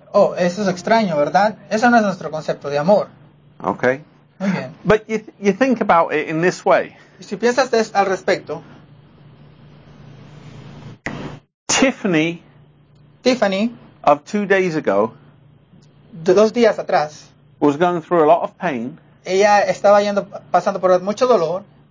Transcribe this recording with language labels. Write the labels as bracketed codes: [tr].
[es] Oh, eso es extraño, ¿verdad? Eso no es nuestro concepto de amor. [en] Okay. [es] Muy bien. [en] But you think about it in this way. [es] Y si piensas al respecto. [en] Tiffany, of 2 days ago, [es] 2 días atrás, [en] was going through a lot of pain. [es] Ella estaba pasando por mucho dolor.